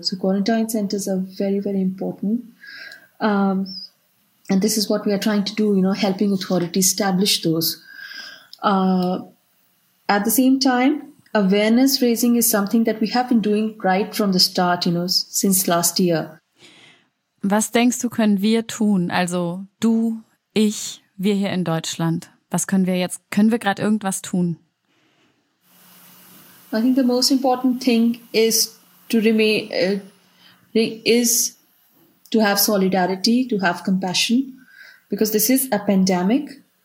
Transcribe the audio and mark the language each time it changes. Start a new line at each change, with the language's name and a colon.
English: So quarantine centers are very, very important. And this is what we are trying to do, you know, helping authorities establish those. At the same time, awareness raising is something that we have been doing right from the start, you know, since last year.
German: Was denkst du, können wir tun? Also du, ich, wir hier in Deutschland. Was können wir jetzt? Können wir gerade irgendwas tun?
English: I think the most important thing is to have solidarity, to have compassion, because this is a pandemic.